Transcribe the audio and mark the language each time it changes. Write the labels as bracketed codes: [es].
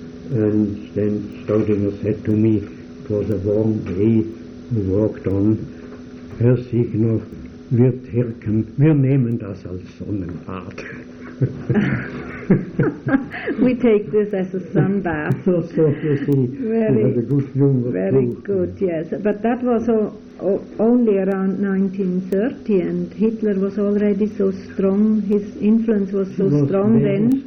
[en] And then Staudinger said to me, it was a long day, walked on. [de] Herr Signor, wir Türken, wir nehmen das als Sonnenbad. [en] We take this as a sun bath. So, so, you see, very, had a good humor very too. Good, yes. But that was only around 1930, and Hitler was already so strong, his influence was so strong then.